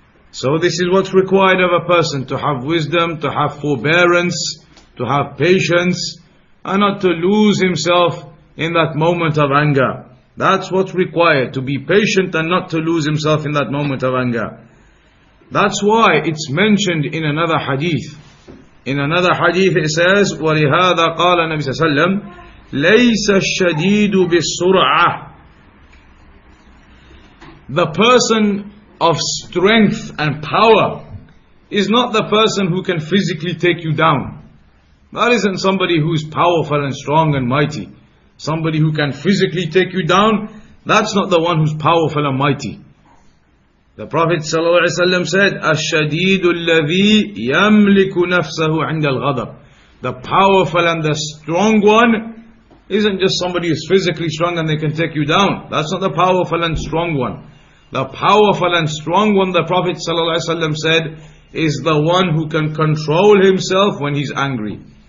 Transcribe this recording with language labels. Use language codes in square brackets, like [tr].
[en] So this is what's required of a person, to have wisdom, to have forbearance, to have patience, and not to lose himself in that moment of anger. That's what's required, to be patient and not to lose himself in that moment of anger. That's why it's mentioned in another hadith. In another hadith it says, [ar] وَلِهَذَا قَالَ النَّبِي صلى الله عليه وسلم, لَيْسَ الشَّدِيدُ بِالسُّرْعَةِ. [en] The person of strength and power is not the person who can physically take you down. That isn't somebody who is powerful and strong and mighty. Somebody who can physically take you down, that's not the one who's powerful and mighty. The Prophet ﷺ said, [ar] الشَّدِيدُ الَّذِي يَمْلِكُ نَفْسَهُ عِنْدَ الْغَضَبِ. [en] The powerful and the strong one isn't just somebody who's physically strong and they can take you down. That's not the powerful and strong one. The powerful and strong one, the Prophet ﷺ said, is the one who can control himself when he's angry.